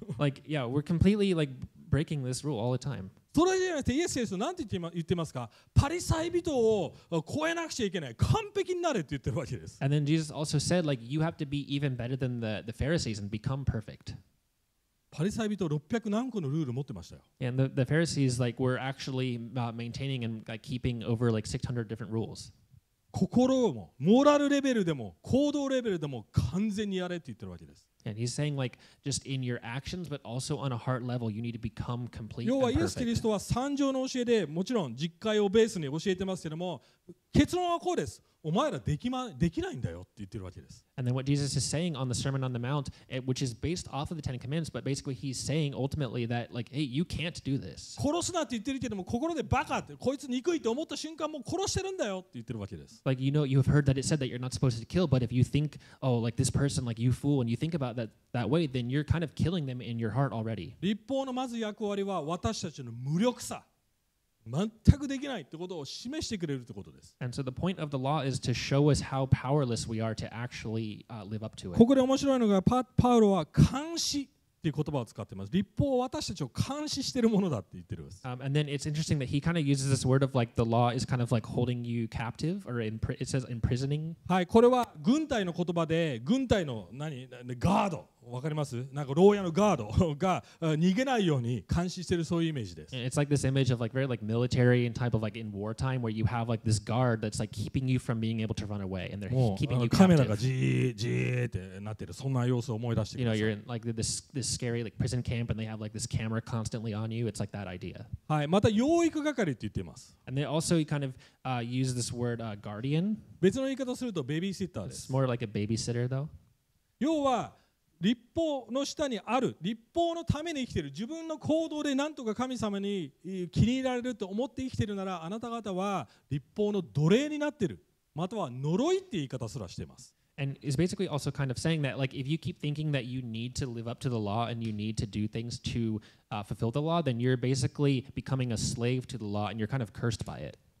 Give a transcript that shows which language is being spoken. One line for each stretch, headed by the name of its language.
English: Like, yeah, we're completely like breaking this rule all the time.
Japanese: それじゃなくて、イエス、イエス、なんて言ってますか。パリサイ人を超えなくちゃいけない。完璧になれって言ってるわけです。
English: And then Jesus also said, like, you have to be even better than the Pharisees and become perfect.
Japanese: パリサイ人600何個のルール持ってましたよ。
English: And the Pharisees like were actually maintaining and like keeping over like 600 different rules.
Japanese: 心も、モラルレベルでも、行動レベルでも完全にやれって言ってるわけです。
English: And he's saying like just in your actions, but also on a heart level, you need to become complete.
Japanese: 要はイエス・キリストは三条の教えでもちろん実戒をベースに教えてますけども、結論はこうです。お前らできないんだよって言ってるわけです。
English: And then what Jesus is saying on the Sermon on the Mount, which is based off of the Ten Commandments, but basically he's saying ultimately that like, hey, you can't do this.
Japanese: 殺すなって言ってるけども、心でバカって、こいつ憎いって思った瞬間もう殺してるんだよって言ってるわけです。
English: Like, you know, you have heard that it said that you're not supposed to kill, but if you think, oh, like this person, like you fool, and you think about that way, then you're kind of killing them in your heart already.
Japanese: 律法のまず役割は私たちの無力さ。全くできないってことを示してくれるってことです。
English: And so the point of the law is to show us how powerless we are to actually live up to it.
Japanese: ここで面白いのがパウロは監視っていう言葉を使ってます。律法は私たちを監視しているものだって言ってるんです。
English: And then it's interesting that he kind of uses this word of like the law is kind of like holding you captive or it says imprisoning.
Japanese: はい、これは軍隊の言葉で軍隊の何ガード。わかります？なんか牢屋のガードが逃げないように監視してるそういうイメージです。
English: It's like this image of like very like military and type of like in wartime where you have like this guard that's like keeping you from being able to run away and they're keeping you captive.
Japanese: カメラがジージーってなってる。そんな様子を思い出してください。
English: You know, you're in like this scary like prison camp and they have like this camera constantly on you. It's like that idea.
Japanese: はい、また養育係って言ってます。
English: And they also kind of use this word guardian.
Japanese: 別の言い方するとベビーシッターです。
English: It's more like a babysitter though.
Japanese: 要は立法の下にある立法のために生きている自分の行動で何とか神様に気に入られると思って生きているならあなた方は立法の奴隷になっているまたは呪いって言い方すらしています。
English: And it's basically also kind of saying that like if you keep thinking that you need to live up to the law and you need to do things to fulfill the law, then you're basically becoming a slave to the law and you're kind of cursed by it.